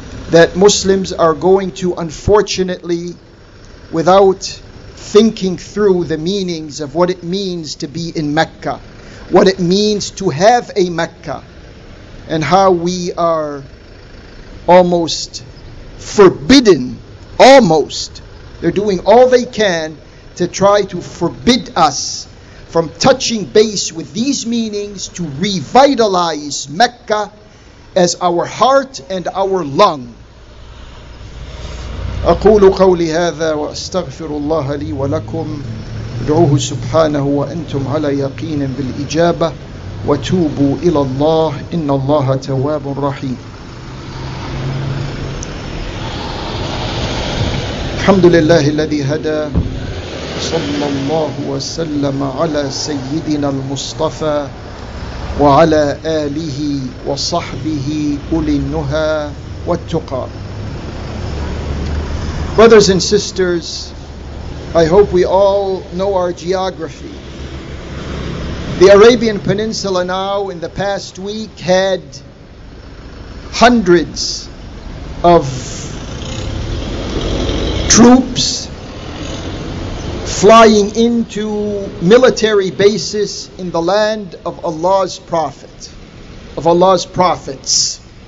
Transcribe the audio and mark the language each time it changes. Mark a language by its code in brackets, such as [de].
[en] that Muslims are going to, unfortunately, without thinking through the meanings of what it means to be in Mecca, what it means to have a Mecca, and how we are almost forbidden, almost. They're doing all they can to try to forbid us from touching base with these meanings, to revitalize Mecca as our heart and our lung. [ar] أقول قولي هذا وأستغفر الله لي ولكم ادعوه سبحانه وأنتم على يقين بالإجابة وتوبوا إلى الله إن الله تواب رحيم. الحمد لله الذي هدى صلى الله وسلم على سيدنا المصطفى وعلى آله وصحبه أولي النهى والتقى. [en] Brothers and sisters, I hope we all know our geography. The Arabian Peninsula now in the past week had hundreds of troops flying into military bases in the land of Allah's Prophet, of Allah's Prophets.